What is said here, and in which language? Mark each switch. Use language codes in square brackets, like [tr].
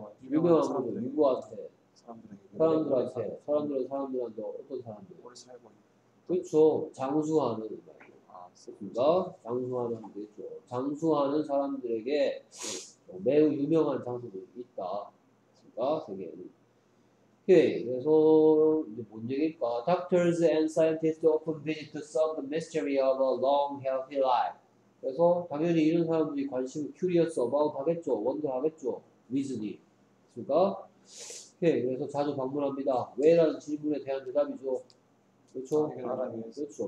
[ko] 유명한 분들, 누구한테? 사람들한테, 사람들은 사람들한테 어떤 사람들? 오래 살고 있는. 그렇죠. 장수하는 말이에요. 그러니까 장수하는 게 있죠. 장수하는 사람들에게 매우 유명한 장소도 있다. 그러니까 세계에는. 오케이. 그래서 이제 뭔 얘기일까? [en] Doctors and scientists often visit to solve the mystery of a long healthy life. [ko] 그래서 당연히 이런 사람들이 관심을 [en] curious about [ko] 하겠죠. wonder 하겠죠. 리즈니, 그러니까, 오케이, 그래서 자주 방문합니다. 왜라는 질문에 대한 대답이죠. 그렇죠. 그렇죠.